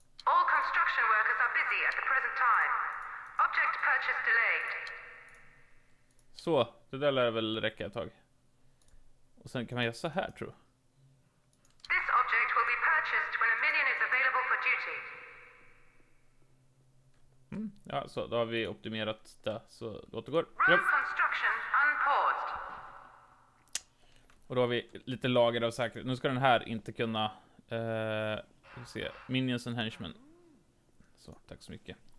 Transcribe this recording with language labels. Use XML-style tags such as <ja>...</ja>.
<en>All construction workers are busy at the present time. Object purchase delayed.</en> <sv>Så, det där lär väl räcka ett tag. Och sen kan man göra så här, tror jag.</sv> <en>This object will be purchased when a minion is available for duty.</en> <sv>Mm, ja, så då har vi optimerat det så gott det går.</sv> <en>Room construction unpaused.</en> <sv>Och då har vi lite lager av säkerhet. Nu ska den här inte kunna... vi ser</sv> <en>minions and henchmen.</en> <sv>Så, tack så mycket.</sv>